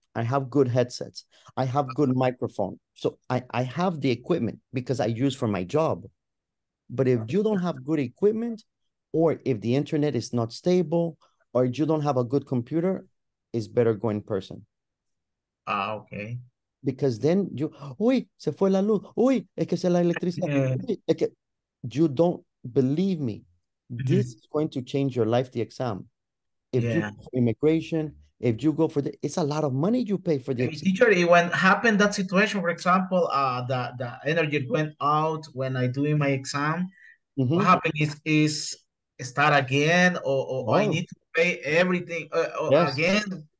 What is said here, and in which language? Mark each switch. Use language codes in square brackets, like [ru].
[en] I have good headsets. I have good microphone. So I have the equipment because I use for my job. But if you don't have good equipment or if the internet is not stable or you don't have a good computer, it's better go in person. Ah, okay. Because then you, [es] uy, se fue la luz, uy, es que se la electricidad. Es que, [en] you don't believe me. This is going to change your life, the exam. If you go for immigration, if you go for the, it's a lot of money you pay for the exam. Teacher, when happened that situation, for example, the energy went out when I doing my exam, what happened is start again or I need to pay everything again.